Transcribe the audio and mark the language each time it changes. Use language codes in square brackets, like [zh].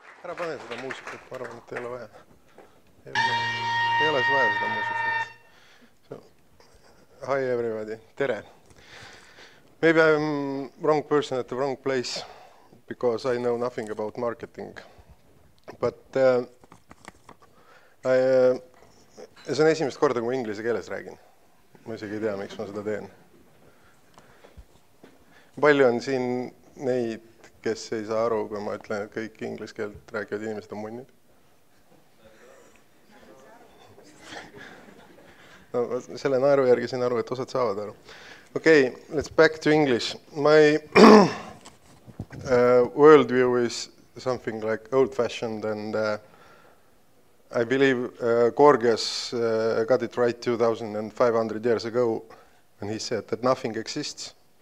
[et] Ära pane seda muusikat, ma arvan, et ei ole vaja. Ei ole vaja seda muusikat. [en] So. Hi everybody, [et] tere. [en] Maybe I'm wrong person at the wrong place because I know nothing about marketing. [et] But see on esimest korda, kui ma inglise keeles räägin. Ma isegi ei tea, miks ma seda teen. Palju on siin neid, kes ei saa aru, kui ma ütlen, et kõik ingliskeelt räägivad inimesed on munnid. No, selle naeru järgi siin aru, et osad saavad aru. [en] Okei, okay, let's back to English. My worldview is something like old-fashioned and I believe Gorgias got it right 2,500 years ago when he said that nothing exists.